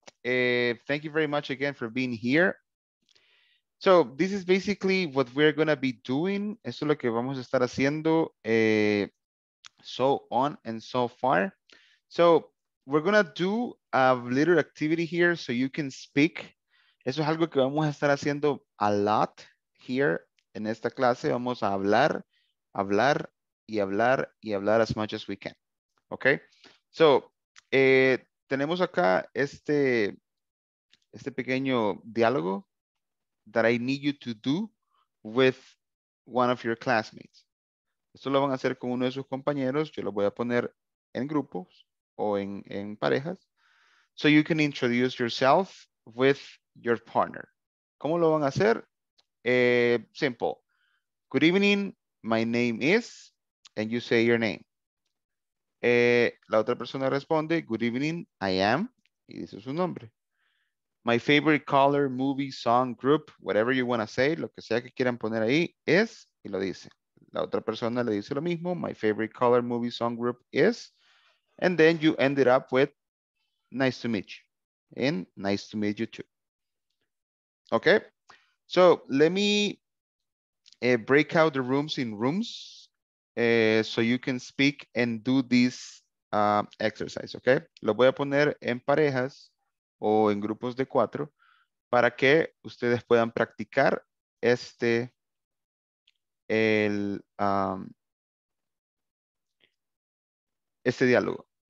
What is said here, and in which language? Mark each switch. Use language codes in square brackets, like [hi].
[en] Thank you very much again for being here. So this is basically what we're going to be doing. [es] Eso es lo que vamos a estar haciendo [en] so on and so far. So we're going to do a little activity here so you can speak. [es] Eso es algo que vamos a estar haciendo [en] a lot here [es] en esta clase. Vamos a hablar, hablar, y hablar, y hablar [en] as much as we can. Okay? So, [es] tenemos acá este pequeño diálogo [en] that I need you to do with one of your classmates. [es] Esto lo van a hacer con uno de sus compañeros. Yo lo voy a poner en grupos o en parejas. [en] So you can introduce yourself with your partner. [es] ¿Cómo lo van a hacer? [en] Simple. Good evening, my name is, and you say your name. [es] La otra persona responde, [en] good evening, I am, [es] y dice su nombre. [en] My favorite color, movie, song, group, whatever you want to say, [es] lo que sea que quieran poner ahí, [en] is, [es] y lo dice. La otra persona le dice lo mismo, [en] my favorite color, movie, song, group, is, and then you end it up with, nice to meet you, and nice to meet you too. Okay, so let me break out the rooms in rooms so you can speak and do this exercise, okay? [es] Lo voy a poner en parejas o en grupos de cuatro para que ustedes puedan practicar este diálogo.